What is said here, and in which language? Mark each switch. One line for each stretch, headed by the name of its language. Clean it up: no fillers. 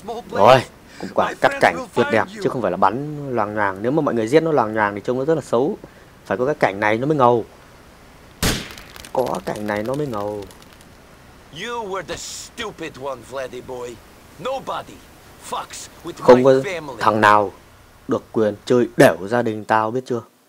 Vietnamese: Rồi, cũng quả cắt cảnh tuyệt đẹp chứ không phải là bắn loàng nhoàng. Nếu mà mọi người giết nó loàng nhoàng thì trông nó rất là xấu. Phải có cái cảnh này nó mới ngầu. Có cảnh này nó mới ngầu.
English: You were the stupid one, Vladdy boy. Nobody fucks with my family.
Vietnamese: Không có thằng nào được quyền chơi đểu gia đình tao, biết chưa?